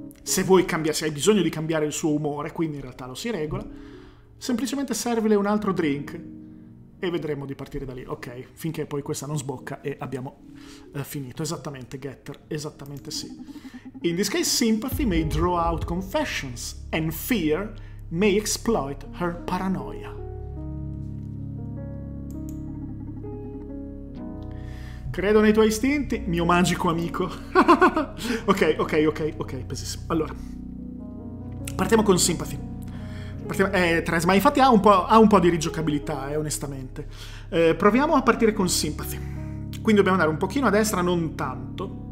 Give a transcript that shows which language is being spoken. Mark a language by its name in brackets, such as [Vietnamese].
[Italian] se vuoi cambiare, se hai bisogno di cambiare il suo umore, quindi in realtà lo si regola, semplicemente servile un altro drink e vedremo di partire da lì, ok, finché poi questa non sbocca e abbiamo finito. Esattamente, Getter, esattamente sì. [English] In this case, sympathy may draw out confessions and fear may exploit her paranoia. [Italian] Credo nei tuoi istinti, mio magico amico. ok, pesissimo. Allora, partiamo con sympathy. Tres, ma infatti ha un po' di rigiocabilità, onestamente. Proviamo a partire con sympathy. Quindi dobbiamo andare un pochino a destra, non tanto.